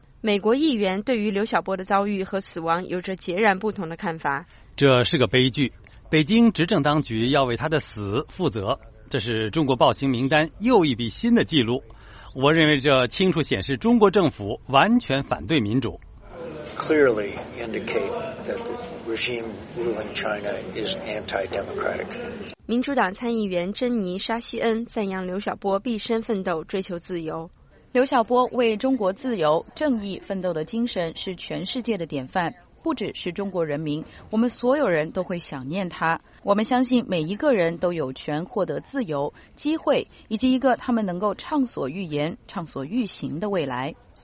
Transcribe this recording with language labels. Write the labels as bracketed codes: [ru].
[zh] 美国议员对于刘晓波的遭遇和死亡有着截然不同的看法。这是个悲剧，北京执政当局要为他的死负责，这是中国暴行名单又一笔新的记录。我认为这清楚显示中国政府完全反对民主。 [en] Clearly indicate that the regime ruling China is anti-democratic. [zh] 民主党参议员珍妮·沙西恩赞扬刘晓波毕生奋斗、追求自由。刘晓波为中国自由、正义奋斗的精神是全世界的典范，不只是中国人民，我们所有人都会想念他。我们相信每一个人都有权获得自由、机会以及一个他们能够畅所欲言、畅所欲行的未来。